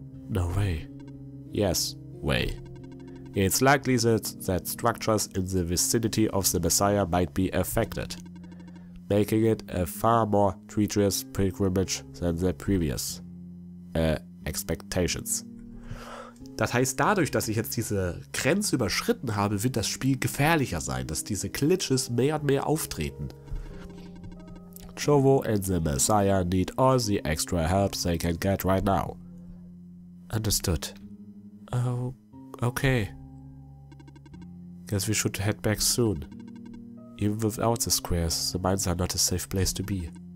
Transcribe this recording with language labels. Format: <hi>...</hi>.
<en>No way. Yes, way. It's likely that structures in the vicinity of the Messiah might be affected. making it a far more treacherous pilgrimage than the previous expectations.</en> <de>Das heißt, dadurch, dass ich jetzt diese Grenze überschritten habe, wird das Spiel gefährlicher sein, dass diese Glitches mehr und mehr auftreten.</de> <en>Chovo and the Messiah need all the extra help they can get right now. Understood. Oh, okay. Guess we should head back soon. Even without the squares, the mines are not a safe place to be.</en>